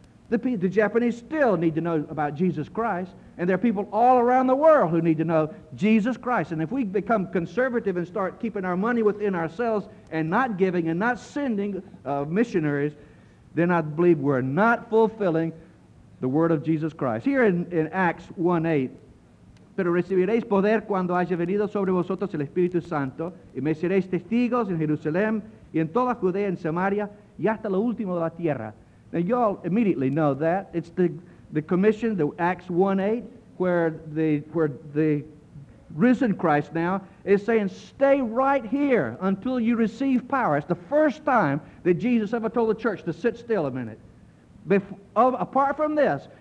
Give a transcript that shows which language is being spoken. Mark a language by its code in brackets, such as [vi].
[en] The Japanese still need to know about Jesus Christ, and there are people all around the world who need to know Jesus Christ. And if we become conservative and start keeping our money within ourselves and not giving and not sending missionaries, then I believe we're not fulfilling the word of Jesus Christ. Here in Acts 1:8, [es] pero recibiréis poder cuando haya venido sobre vosotros el Espíritu Santo y me seréis testigos en Jerusalén y en toda Judea y Samaria y hasta lo último de la tierra. [en] Now y'all immediately know that. It's the commission, the Acts 1:8, where the risen Christ now is saying, stay right here until you receive power. It's the first time that Jesus ever told the church to sit still a minute. Apart from this,